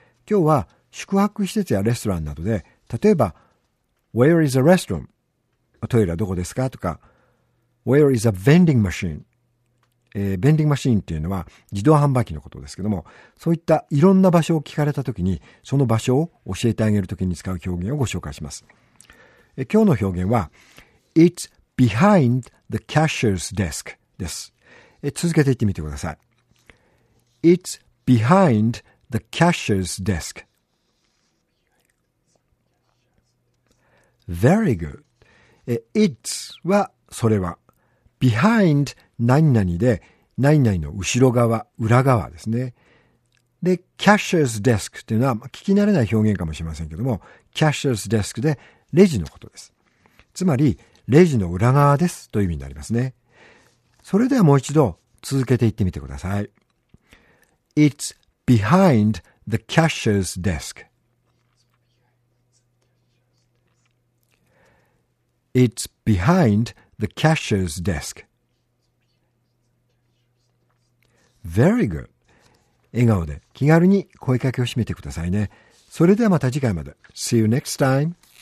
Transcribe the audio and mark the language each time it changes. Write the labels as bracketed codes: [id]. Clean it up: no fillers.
[ja] 今日は宿泊施設やレストランなどで、例えば、 [en] Where is a restroom? [ja] トイレはどこですかとか、 [en] Where is a vending machine? [ja] ベンディングマシーンっていうのは自動販売機のことですけども、そういったいろんな場所を聞かれたときに、その場所を教えてあげるときに使う表現をご紹介します。今日の表現は [en] It's behind the cashier's desk [ja] です。続けて言ってみてください。 [en] It's behind the cashier's desk. Very good. [ja] It's はそれは、 behind何々で何々の後ろ側、裏側ですね。で、cashier's desk というのは聞き慣れない表現かもしれませんけども、cashier's desk でレジのことです。つまり、レジの裏側ですという意味になりますね。それではもう一度続けて言ってみてください。 [en] It's behind the cashier's desk. It's behind the cashier's desk. Very good. [ja] 笑顔で気軽に声かけをしめてくださいね。それではまた次回まで。 [en] See you next time.